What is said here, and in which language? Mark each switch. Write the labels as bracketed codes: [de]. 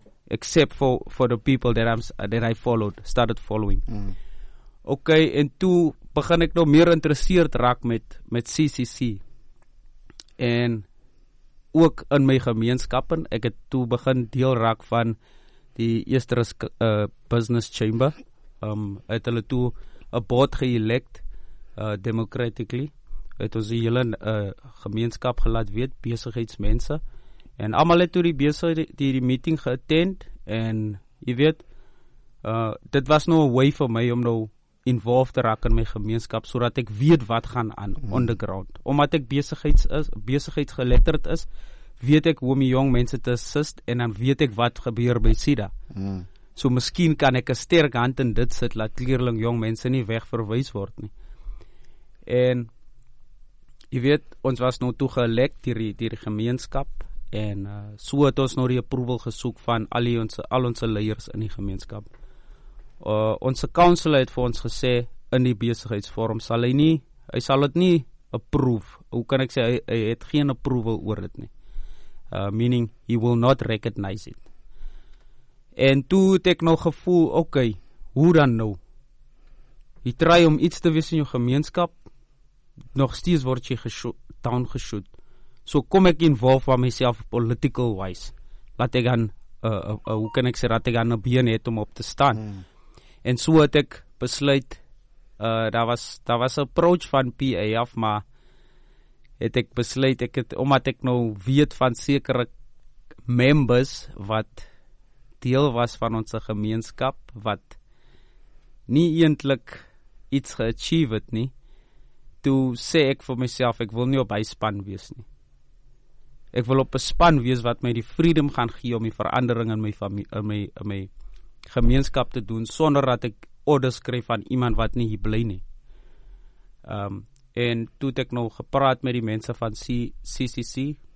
[en] Except for the people that I started following. Mm. [af] Ok, en toe begin ek nou meer interesseerd raak met CCC. En ook in my gemeenskap. En ek het toe begin deel raak van die eerste business chamber. Het hulle toe 'n board geëlect. Democratically, het ons die hele gemeenskap gelaat weet, besigheidsmense, en allemaal het toe die besigheid, die meeting geattend, en, jy weet, dit was nou een way vir my om nou involved te raak in my gemeenskap, sodat ek weet wat gaan aan [en] on the ground. [af] Omdat ek besigheidsgeletterd is, weet ek hoe my jong mense te assist, en dan weet ek wat gebeur by SIDA. So, miskien kan ek 'n sterk hand in dit sit, laat klierling jong mense nie wegverwijs word nie. En, jy weet, ons was nou toegelekt die gemeenskap, en so het ons nou die approval gesoek van al onse leiers in die gemeenskap. Onse council het vir ons gesê, in die besigheidsforum sal hy sal het nie approve, hoe kan ek sê, hy het geen approval oor dit nie. [en] Meaning, he will not recognize it. [af] En toe het ek nou gevoel, ok, hoe dan nou? Jy try om iets te wees in jou gemeenskap, nog steeds word jy down geshoot. So kom ek involved van myself political wise. Laat ek dan, hoe kan ek sê, dat ek dan een been het om op te staan. En so het ek besluit, daar was een approach van PA af, maar het ek besluit, omdat ek nou weet van sekere members wat deel was van ons gemeenskap, wat nie eintlik iets geachieve het nie, toe sê ek vir myself, ek wil nie op hy span wees nie. Ek wil op 'n span wees wat my die freedom gaan gee om die verandering in my my gemeenskap te doen, sonder dat ek orders kry van iemand wat nie hier bly nie. En toe het ek nou gepraat met die mense van CCC.